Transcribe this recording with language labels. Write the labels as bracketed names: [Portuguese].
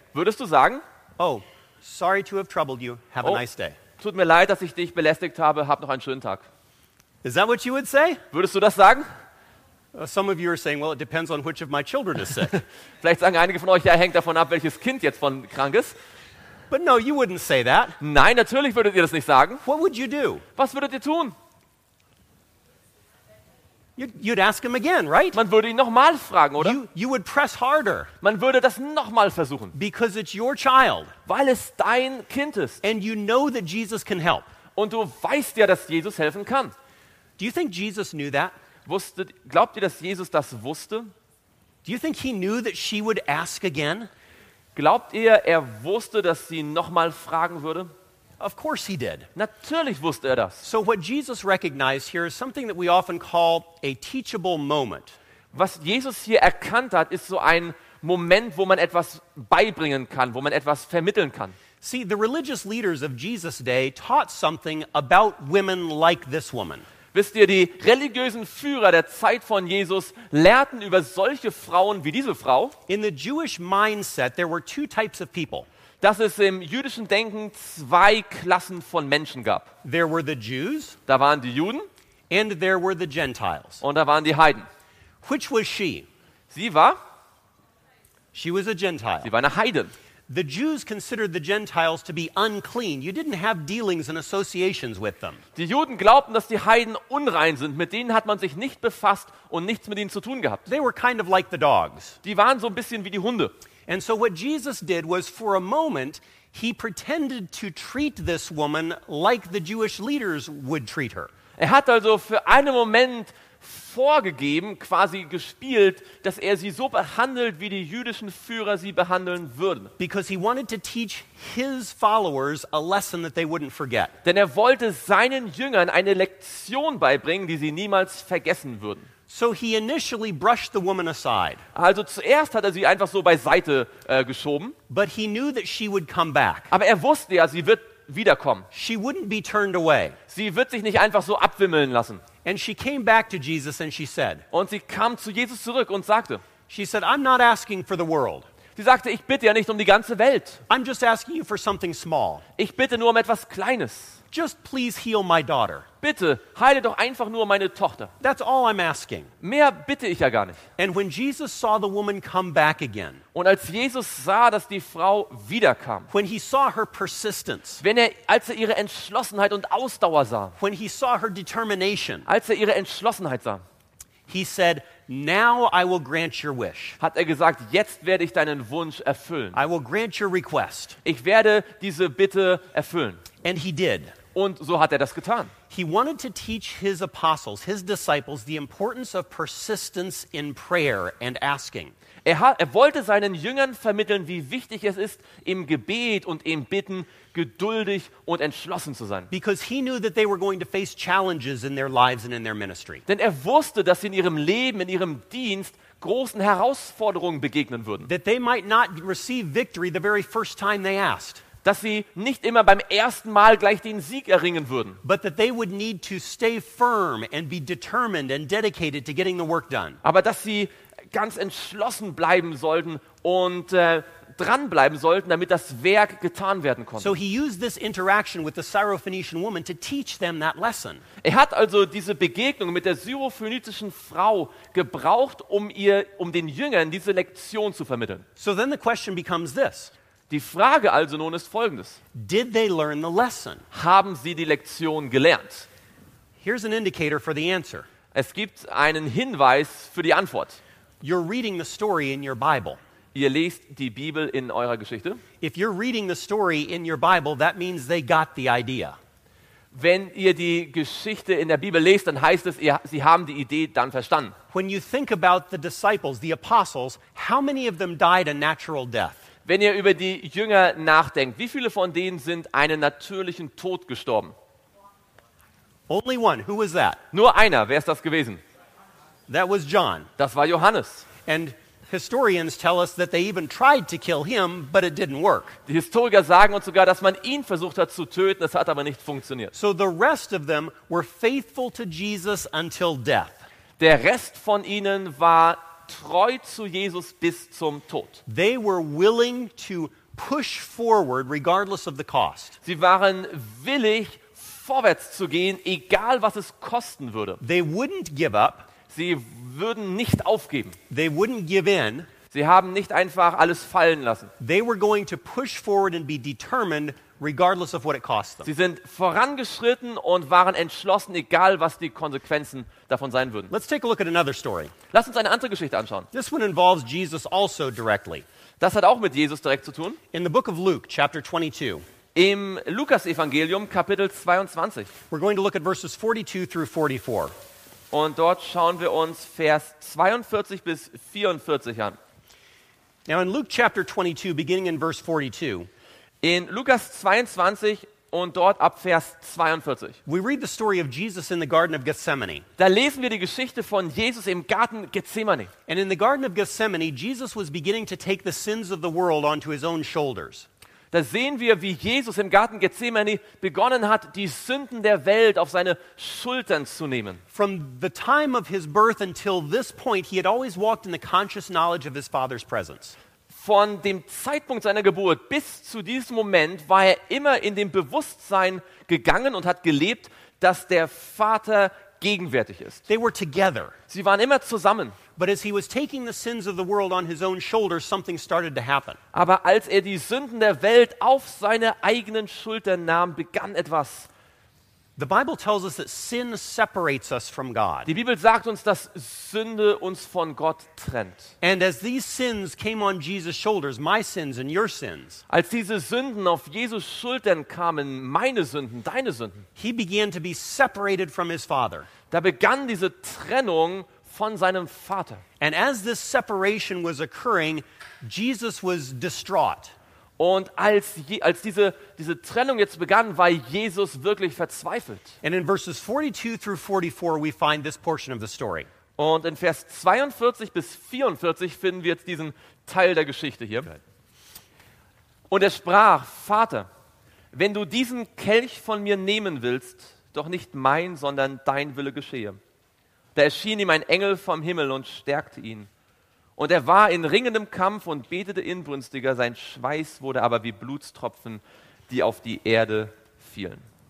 [German] Würdest du sagen? [English] Oh, sorry to have troubled you. Have a nice day. [German] Tut mir leid, dass ich dich belästigt habe. Hab noch einen schönen Tag. [English] Is that what you would say? [German] Würdest du das sagen? [English] Some of you are saying, well, it depends on which of my children is sick. [German] Vielleicht sagen einige von euch, ja, hängt davon ab, welches Kind jetzt von krank ist. [English] But no, you wouldn't say that. [German] Nein, natürlich würdet ihr das nicht sagen. [English] What would you do? [German] Was würdet ihr tun? [English] You'd ask him again, right? [German] Man würde ihn nochmal fragen, oder? [English] You would press harder. [German] Man würde das nochmal versuchen. [English] Because it's your child. [German] Weil es dein Kind ist. [English] And you know that Jesus can help. [German] Und du weißt ja, dass Jesus helfen kann. [English] Do you think Jesus knew that? [German] Glaubt ihr, dass Jesus das wusste? [English] Do you think he knew that she would ask again? [German] Glaubt ihr, er wusste, dass sie nochmal fragen würde? [English] Of course he did. [German] Natürlich wusste er das. [English] So what Jesus recognized here is something that we often call a teachable moment. [German] Was Jesus hier erkannt hat, ist so ein Moment, wo man etwas beibringen kann, wo man etwas vermitteln kann. [English] See, the religious leaders of Jesus' day taught something about women like this woman. [German] Wisst ihr, die religiösen Führer der Zeit von Jesus lehrten über solche Frauen wie diese Frau. [English] In the Jewish mindset, there were two types of people. [German] Dass es im jüdischen Denken zwei Klassen von Menschen gab. [English] There were the Jews. [German] Da waren die Juden. [English] And there were the Gentiles. [German] Und da waren die Heiden. [English] Which was she? [German] Sie war? [English] She was a Gentile. [German] Sie war eine Heidin. [English] The Jews considered the Gentiles to be unclean. You didn't have dealings and associations with them. [German] Die Juden glaubten, dass die Heiden unrein sind. Mit denen hat man sich nicht befasst und nichts mit ihnen zu tun gehabt. [English] They were kind of like the dogs. [German] Die waren so ein bisschen wie die Hunde. [English] And so what Jesus did was for a moment he pretended to treat this woman like the Jewish leaders would treat her. [German] Er hat also für einen Moment vorgegeben, quasi gespielt, dass er sie so behandelt, wie die jüdischen Führer sie behandeln würden. [English] Because he wanted to teach his followers a lesson that they wouldn't forget. [German] Denn er wollte seinen Jüngern eine Lektion beibringen, die sie niemals vergessen würden. [English] So he initially brushed the woman aside. [German] Also zuerst hat er sie einfach so beiseite geschoben. [English] But he knew that she would come back. [German] Aber er wusste ja, sie wird wiederkommen. [English] She wouldn't be turned away. [German] Sie wird sich nicht einfach so abwimmeln lassen. [English] And she came back to Jesus and she said. [German] Und sie kam zu Jesus zurück und sagte. [English] She said, I'm not asking for the world. [German] Sie sagte, ich bitte ja nicht um die ganze Welt. [English] I'm just asking you for something small. [German] Ich bitte nur um etwas Kleines. [English] Just please heal my daughter. [German] Bitte heile doch einfach nur meine Tochter. [English] That's all I'm asking. [German] Mehr bitte ich ja gar nicht. [English] And when Jesus saw the woman come back again. [German] Und als Jesus sah, dass die Frau wiederkam. [English] When he saw her persistence. [German] Als er ihre Entschlossenheit und Ausdauer sah. [English] When he saw her determination. [German] Als er ihre Entschlossenheit sah. [English] He said, "Now I will grant your wish." [German] Hat er gesagt, jetzt werde ich deinen Wunsch erfüllen. [English] I will grant your request. [German] Ich werde diese Bitte erfüllen. [English] And he did. [German] Und so hat er das getan. [English] He wanted to teach his apostles, his disciples, the importance of persistence in prayer and asking. [German] Er wollte seinen Jüngern vermitteln, wie wichtig es ist, im Gebet und im Bitten geduldig und entschlossen zu sein. [English] Because he knew that they were going to face challenges in their lives and in their ministry. [German] Denn er wusste, dass sie in ihrem Leben, in ihrem Dienst großen Herausforderungen begegnen würden. [English] That they might not receive victory the very first time they asked. [German] Dass sie nicht immer beim ersten Mal gleich den Sieg erringen würden. [English] But that they would need to stay firm and be determined and dedicated to getting the work done. [German] Aber dass sie ganz entschlossen bleiben sollten und dranbleiben sollten, damit das Werk getan werden konnte. [English] So he used this interaction with the Syrophoenician woman to teach them that lesson. [German] Er hat also diese Begegnung mit der syrophönizischen Frau gebraucht, um den Jüngern diese Lektion zu vermitteln. [English] So then the question becomes this. [German] Die Frage also nun ist folgendes. [English] Did they learn the lesson? [German] Haben sie die Lektion gelernt? [English] Here's an indicator for the answer. [German] Es gibt einen Hinweis für die Antwort. [English] You're reading the story in your Bible. [German] Ihr lest die Bibel in eurer Geschichte. [English] If you're reading the story in your Bible, that means they got the idea. [German] Wenn ihr die Geschichte in der Bibel lest, dann heißt es, sie haben die Idee dann verstanden. [English] When you think about the disciples, the apostles, how many of them died a natural death? [German] Wenn ihr über die Jünger nachdenkt, wie viele von denen sind einen natürlichen Tod gestorben? [English] Only one. Who was that? [German] Nur einer. Wer ist das gewesen? [English] That was John. [German] Das war Johannes. [English] And historians tell us that they even tried to kill him, but it didn't work. [German] Die Historiker sagen uns sogar, dass man ihn versucht hat zu töten, es hat aber nicht funktioniert. [English] So the rest of them were faithful to Jesus until death. [German] Der Rest von ihnen war treu zu Jesus bis zum Tod. [English] They were willing to push forward regardless of the cost. [German] Sie waren willig vorwärts zu gehen, egal was es kosten würde. [English] They wouldn't give up. [German] Sie würden nicht aufgeben. [English] They wouldn't give in. [German] Sie haben nicht einfach alles fallen lassen. [English] They were going to push forward and be determined regardless of what it cost them. [German] Sie sind vorangeschritten und waren entschlossen, egal was die Konsequenzen davon sein würden. [English] Let's take a look at another story. [German] Lass uns eine andere Geschichte anschauen. [English] This one involves Jesus also directly. [German] Das hat auch mit Jesus direkt zu tun. [English] In the book of Luke, chapter 22. [German] Im Lukas-Evangelium, Kapitel 22. [English] We're going to look at verses 42 through 44. [German] Und dort schauen wir uns Vers 42 bis 44 an. [English] Now in Luke chapter 22, beginning in verse 42. [German] In Lukas 22 und dort ab Vers 42. [English] We read the story of Jesus in the Garden of Gethsemane. [German] Da lesen wir die Geschichte von Jesus im Garten Gethsemane. [English] And in the Garden of Gethsemane, Jesus was beginning to take the sins of the world onto his own shoulders. [German] Da sehen wir, wie Jesus im Garten Gethsemane begonnen hat, die Sünden der Welt auf seine Schultern zu nehmen. [English] From the time of his birth until this point, he had always walked in the conscious knowledge of his Father's presence. [German] Von dem Zeitpunkt seiner Geburt bis zu diesem Moment war er immer in dem Bewusstsein gegangen und hat gelebt, dass der Vater gegenwärtig ist. [English] They were together. [German] Sie waren immer zusammen. [English] But as he was taking the sins of the world on his own shoulders, something started to happen. [German] Aber als er die Sünden der Welt auf seine eigenen Schultern nahm, begann etwas. [English] The Bible tells us that sin separates us from God. [German] Die Bibel sagt uns, dass Sünde uns von Gott trennt. [English] And as these sins came on Jesus' shoulders, my sins and your sins, [German] als diese Sünden auf Jesus' Schultern kamen, meine Sünden, deine Sünden, [English] he began to be separated from his Father. [German] Da begann diese Trennung von seinem Vater. [English] And as this separation was occurring, Jesus was distraught. [German] Und als diese Trennung jetzt begann, war Jesus wirklich verzweifelt. [English] And in verses 42 through 44 we find this portion of the story. [German] Und in Vers 42 bis 44 finden wir jetzt diesen Teil der Geschichte hier. Good. Und er sprach: Vater, wenn du diesen Kelch von mir nehmen willst, doch nicht mein, sondern dein Wille geschehe. Da erschien ihm ein Engel vom Himmel und stärkte ihn. Und er war in ringendem Kampf und betete inbrünstiger, sein Schweiß wurde aber wie Blutstropfen, die auf die Erde fielen.